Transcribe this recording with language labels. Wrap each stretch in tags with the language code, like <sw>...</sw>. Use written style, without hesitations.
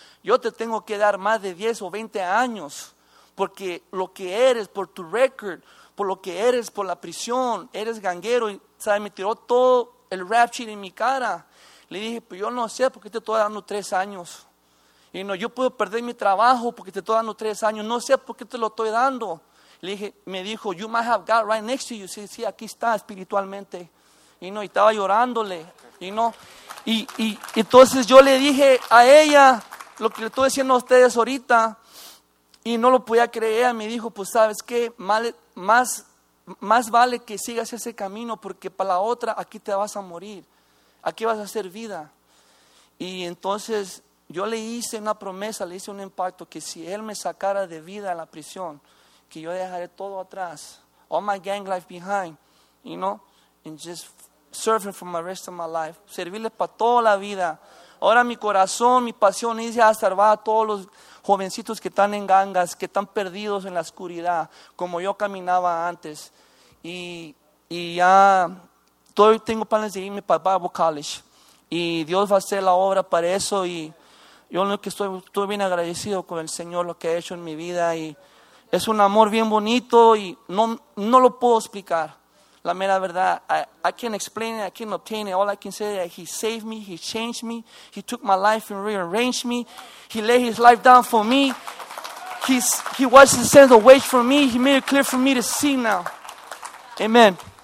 <es>Yo te tengo que dar más de 10 o 20 años. Porque lo que eres, por tu record, por lo que eres, por la prisión, eres ganguero. Y ¿sabes? Me tiró todo el rap sheet en mi cara. Le dije, pues yo no sé por qué te estoy dando 3 años. Y no, yo puedo perder mi trabajo porque te estoy dando 3 años. No sé por qué te lo estoy dando. Le dije, me dijo,</es> <en>you might have God right next to you.</en> <es>Sí, sí, aquí está espiritualmente. Y no, y estaba llorándole. Y no, y entonces yo le dije a ella lo que le estoy diciendo a ustedes ahorita. Y no lo podía creer. Me dijo, pues sabes qué, más vale que sigas ese camino, porque para la otra aquí te vas a morir. Aquí vas a hacer vida. Y entonces yo le hice una promesa, le hice un impacto, que si él me sacara de vida a la prisión, que yo dejaré todo atrás,</es> <en>all my gang life behind, you know, and just serving for my rest of my life,</en> <es>servirle para toda la vida. Ahora mi corazón, mi pasión es ya salvar a todos los jovencitos que están en gangas, que están perdidos en la oscuridad, como yo caminaba antes. Y ya todo, tengo planes de irme para Bible College, y Dios va a hacer la obra para eso. Y yo lo que estoy bien agradecido con el Señor, lo que ha hecho en mi vida. Y es un amor bien bonito y no lo puedo explicar. La mera verdad,</es> <en>I can't explain it, I can't obtain it. All I can say is that he saved me, he changed me, he took my life and rearranged me. He laid his life down for me. He washed his sins away from me. He made it clear for me to see now. Amen.</en>